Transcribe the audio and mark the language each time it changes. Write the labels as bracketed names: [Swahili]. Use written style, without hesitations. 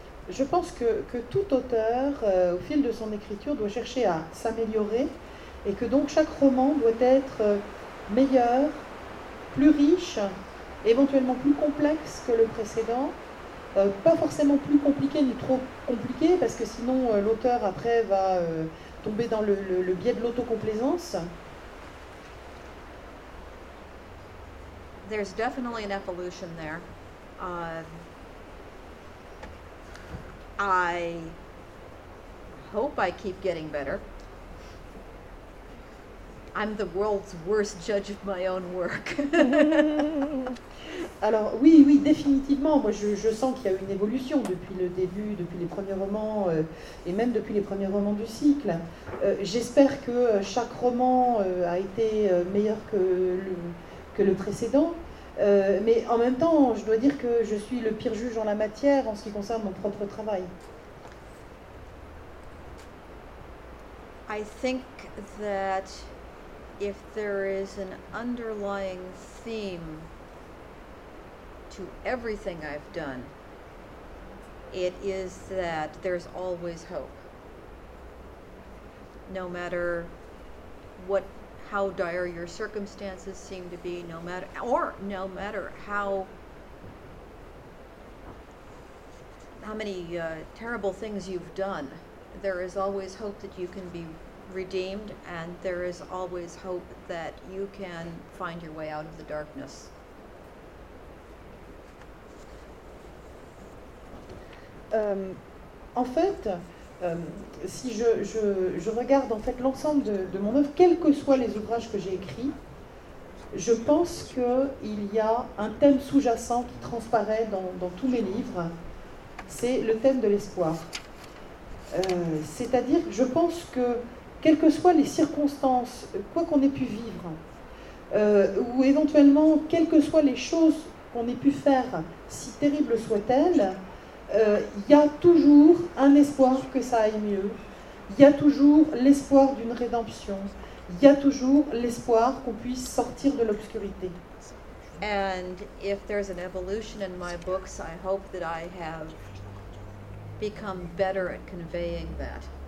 [French] Je pense que tout auteur, au fil de son écriture, doit chercher à s'améliorer et que donc chaque roman doit être meilleur, plus riche, éventuellement plus complexe que le précédent, pas forcément plus compliqué ni trop compliqué, parce que sinon l'auteur après va tomber dans le biais de l'autocomplaisance. [English] There's definitely an evolution there. I hope I keep getting better. I'm the world's worst judge of my own work. [French] Alors oui, définitivement, moi je sens qu'il y a une évolution depuis le début, depuis les premiers romans, et même depuis les premiers romans du cycle. J'espère que chaque roman a été meilleur que le, que le précédent. Mais en même temps, je dois dire que je suis le pire juge en la matière en ce qui concerne mon propre travail. [English] I think that if there is an underlying theme to everything I've done, it is that there's always hope. No matter what, how dire your circumstances seem to be, no matter how many terrible things you've done, there is always hope that you can be redeemed, and there is always hope that you can find your way out of the darkness. [French] En fait, si je regarde en fait l'ensemble de mon œuvre, quels que soient les ouvrages que j'ai écrits, je pense qu'il y a un thème sous-jacent qui transparaît dans tous mes livres, c'est le thème de l'espoir. C'est-à-dire que je pense que, quelles que soient les circonstances, quoi qu'on ait pu vivre, ou éventuellement, quelles que soient les choses qu'on ait pu faire, si terribles soient-elles, il y a toujours un espoir que ça aille mieux. Il y a toujours l'espoir d'une rédemption. Il y a toujours l'espoir qu'on puisse sortir de l'obscurité. [English] And if there's an evolution in my books, I hope that I have become better at conveying that.